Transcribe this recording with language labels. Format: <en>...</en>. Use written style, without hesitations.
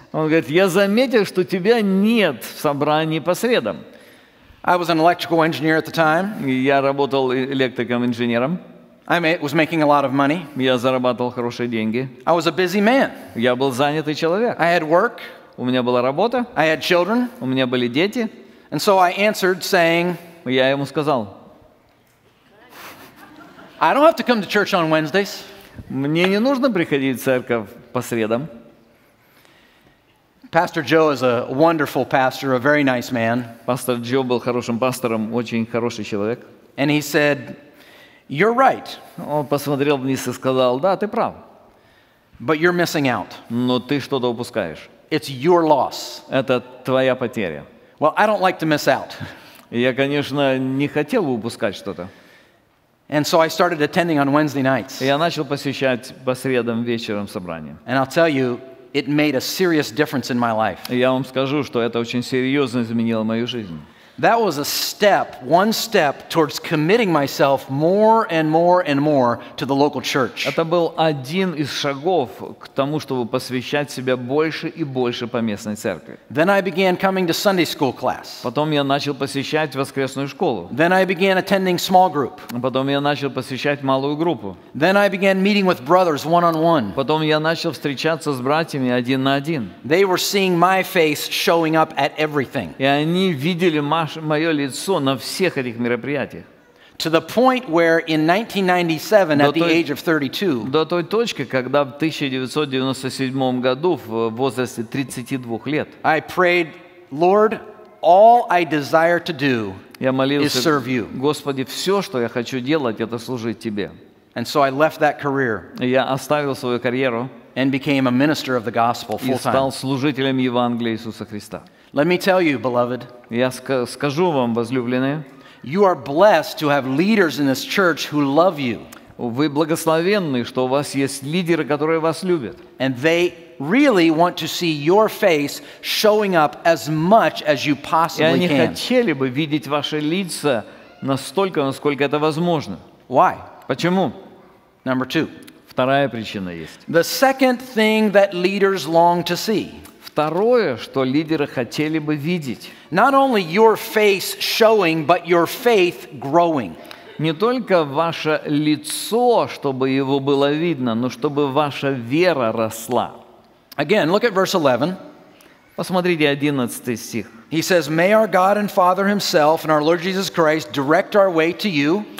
<ru>Он говорит, я заметил, что тебя нет в собрании по средам.</ru> <en>I was an electrical engineer at the time.</en> <ru>Я работал электриком инженером.</ru> <en>I was making a lot of money.</en> <ru>Я зарабатывал хорошие деньги.</ru> <en>I was a busy man.</en> <ru>Я был занятый человек.</ru> <en>I had work.</en> <ru>У меня была работа.</ru> <en>I had children.</en> <ru>У меня были дети.</ru> <en>And so I answered, saying,</en> <ru>я ему сказал,</ru> <en>I don't have to come to church on Wednesdays.</en> <ru>Мне не нужно приходить в церковь по средам.</ru> <en>Pastor Joe is a wonderful pastor, a very nice man.</en> <ru>Пастор Джо был хорошим пастором, очень хороший человек.</ru> <en>And he said, you're right.</en> <ru>Он посмотрел вниз и сказал, да, ты прав.</ru> <en>But you're missing out.</en> <ru>Но ты что-то упускаешь.</ru> <en>It's your loss.</en> <ru>Это твоя потеря.</ru> <en>Well, I don't like to miss out.</en> <ru>Я, конечно, не хотел бы упускать что-то.</ru> <en>And so I started attending on Wednesday nights.</en> <ru>Я начал посещать по средам вечером собрания.</ru> <en>And I'll tell you, it made a serious difference in my life.</en> <ru>Я вам скажу, что это очень серьезно изменило мою жизнь.</ru> <en>That was a step, one step towards committing myself more and more and more to the local church.</en> <ru>Это был один из шагов к тому, чтобы посвящать себя больше и больше поместной церкви.</ru> <en>Then I began coming to Sunday school class.</en> <ru>Потом я начал посещать воскресную школу.</ru> <en>Then I began attending small group.</en> <ru>Потом я начал посещать малую группу.</ru> <en>Then I began meeting with brothers one on one.</en> <ru>Потом я начал встречаться с братьями один на один.</ru> <en>They were seeing my face showing up at everything.</en> <ru>И они видели мое лицо на всех этих мероприятиях.</ru> <en>To the point where in 1997, at the age of 32,</en> <ru>до той точки, когда в 1997 году, в возрасте 32 лет,</ru> <en>I prayed, Lord, all I desire to do is serve you.</en> <ru>Господи, все, что я хочу делать, это служить Тебе.</ru> <en>And so I left that career.</en> <ru>Я оставил свою карьеру.</ru> <en>And became a minister of the gospel full time.</en> <ru>И стал служителем Евангелия Иисуса Христа.</ru> <en>Let me tell you, beloved.</en> <ru>Я скажу вам, возлюбленные.</ru> <en>You are blessed to have leaders in this church who love you.</en> <ru>Вы благословенны, что у вас есть лидеры, которые вас любят.</ru> <en>And they really want to see your face showing up as much as you possibly can.</en> <ru>И они хотели бы видеть ваши лица настолько, насколько это возможно.</ru> <en>Why?</en> <ru>Почему?</ru> <en>Number two.</en> <ru>Вторая причина есть.</ru> <en>The second thing that leaders long to see.</en> <ru>Второе, что лидеры хотели бы видеть.</ru> <en>Not only your face showing, but your faith growing.</en> <ru>Не только ваше лицо, чтобы его было видно, но чтобы ваша вера росла.</ru> <en>Again, look at verse 11.</en> <ru>Посмотрите 11 стих.</ru> <en>He says, "May our God and Father Himself and our Lord Jesus Christ direct our way to you."</en>